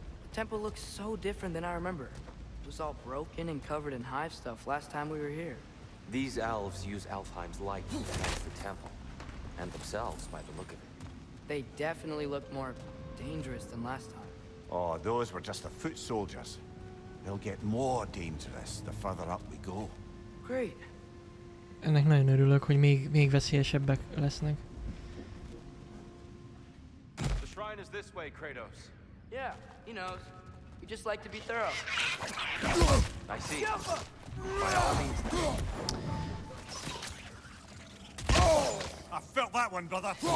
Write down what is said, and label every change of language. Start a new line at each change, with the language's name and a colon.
English: The temple looks so different than I remember. It was all broken and covered in hive stuff last time we were here. These elves use Alfheim's light to protect the temple. And themselves, by the look of it. They definitely look more dangerous than last time. Oh, those were just the foot soldiers. They'll get more dangerous the further up we go. Great.
Hungarian: Ennek nagyon örülök, hogy még veszélyesebbek lesznek.
English: The shrine is this way, Kratos. Yeah, he knows. We just like to be thorough. I see. I felt that one, brother.